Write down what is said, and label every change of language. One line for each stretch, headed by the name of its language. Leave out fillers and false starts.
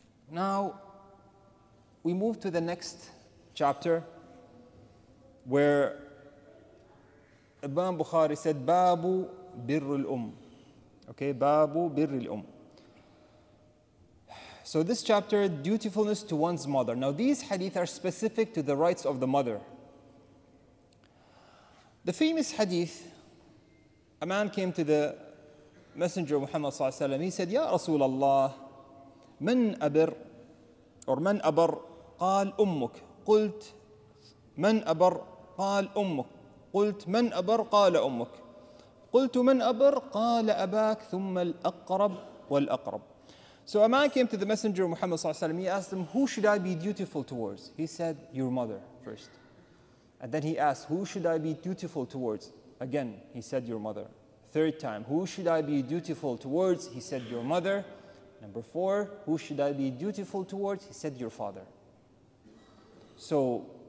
English: Now, we move to the next chapter where Imam Bukhari said, Babu birrul um. Okay, Babu birrul um. So this chapter, dutifulness to one's mother. Now these hadith are specific to the rights of the mother. The famous hadith, a man came to the messenger of Muhammad sallallahu alayhi wa sallam. He said, Ya Rasulallah,
Arabic: من أبر
English: or
Arabic: من أبر قال أمك قلت من أبر قال أمك قلت من أبر قال أمك قلت من أبر قال أباك ثم الأقرب والأقرب.
English: So a man came to the messenger of Muhammad sallallahu alayhi wa sallam. He asked him, who should I be dutiful towards? He said, your mother first. And then he asked, who should I be dutiful towards? Again, he said, your mother. Third time, who should I be dutiful towards? He said, your mother. Number four, who should I be dutiful towards? He said, your father. So